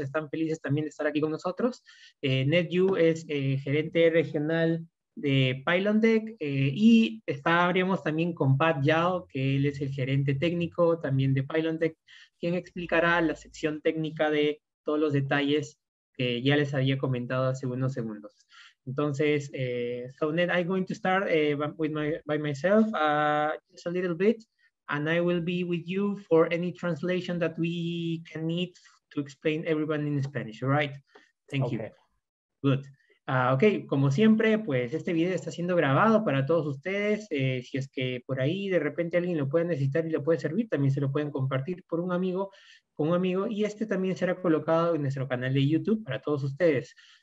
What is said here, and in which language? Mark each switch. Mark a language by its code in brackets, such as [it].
[es] Están felices también de estar aquí con nosotros. Ned Yu es gerente regional de Pylontec y estaríamos también con Pat Yao, que él es el gerente técnico también de Pylontec, quien explicará la sección técnica de todos los detalles que ya les había comentado hace unos segundos. [en] Entonces, so Ned, I'm going to start by myself just a little bit, and I will be with you for any translation that we can need to explain everyone in Spanish, all right? Thank you. Okay. Good. [es] Okay, como siempre, pues este video está siendo grabado para todos ustedes. Si es que por ahí de repente alguien lo puede necesitar y lo puede servir, también se lo pueden compartir por un amigo, con un amigo, y este también será colocado en nuestro canal de YouTube para todos ustedes.